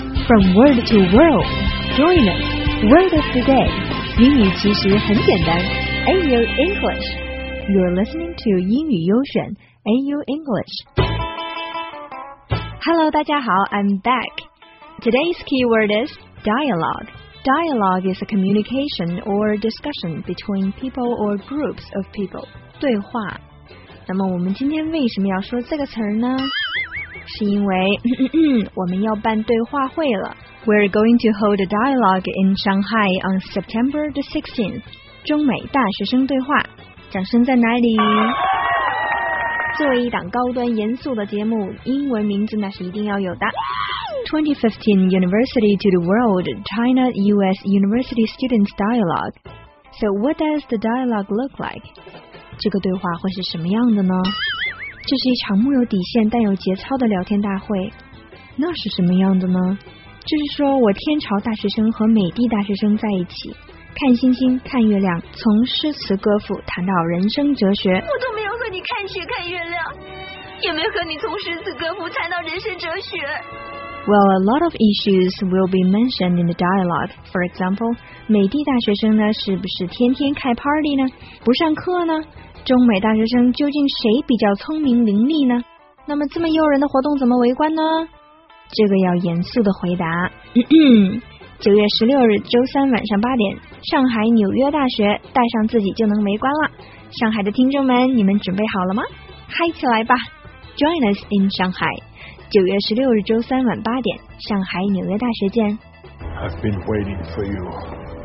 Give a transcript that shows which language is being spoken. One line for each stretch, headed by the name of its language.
English: From word to world, join us, word of the day.
Chinese: 英语其实很简单, AU English.
English: You're listening to 英语优选, AU English. Hello,
Chinese: 大家好,
English: I'm back. Today's keyword is dialogue. Dialogue is a communication or discussion between people or groups of people.
Chinese: 对话。那么我们今天为什么要说这个词儿呢？是因为我们要办对话会了。
English: We're going to hold a dialogue in Shanghai on September the 16th.
Chinese: 中美大学生对话。掌声在哪里？作为一档高端严肃的节目，英文名字那是一定要有的。
English: 2015 University to the World China-US University Students Dialogue. So what does the dialogue look like?
Chinese: 这个对话会是什么样的呢？这是一场没有底线但有节操的聊天大会。那是什么样的呢？就是说我天朝大学生和美帝大学生在一起，看星星，看月亮，从诗词歌赋谈到人生哲学。我都没有和你看雪看月亮，也没和你从诗词歌赋谈到人生哲学。
English: Well, a lot of issues will be mentioned in the dialogue. For example,
Chinese: 美帝大学生呢是不是天天开 party 呢？不上课呢？中美大学生究竟谁比较聪明伶俐呢？那么这么诱人的活动怎么围观呢？这个要严肃的回答。9月16日周三晚上8点，上海纽约大学，带上自己就能围观了。上海的听众们，你们准备好了吗？嗨起来吧！
English: Join us in Shanghai.
Chinese: 九月十六日周三晚八点，上海纽约大学见。
English: I've been waiting for you.